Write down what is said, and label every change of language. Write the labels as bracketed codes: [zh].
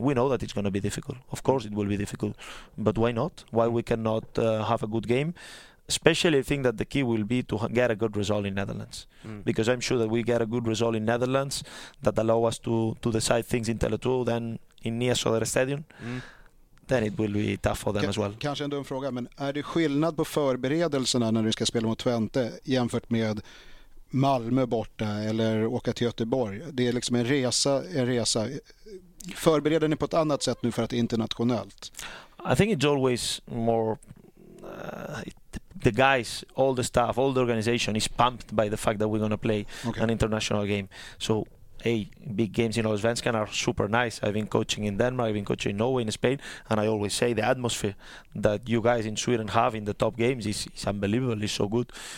[en] We know that it's going to be difficult. Of course, it will be difficult. But why not? Why we cannot have a good game? Especially, I think that the key will be to get a good result in Netherlands, because I'm sure that we get a good result in Netherlands that allow us to decide things in Tele2, then in Nias Soder Stadion. Then it will be tough for them as well. [sv] Kanske en dum fråga, men är det skillnad på förberedelserna när du ska spela mot Twente jämfört med Malmö borta eller åka till Göteborg? Det är liksom en resa. Förbereder ni på ett annat sätt nu för att det är internationellt? [en] I think it's always more the guys, all the staff, all the organization is pumped by the fact that we're going to play an international game. So hey, big games in Allsvenskan are super nice. I've been coaching in Denmark, I've been coaching in Norway, in Spain, and I always say the atmosphere that you guys in Sweden have in the top games is unbelievable, it's so good.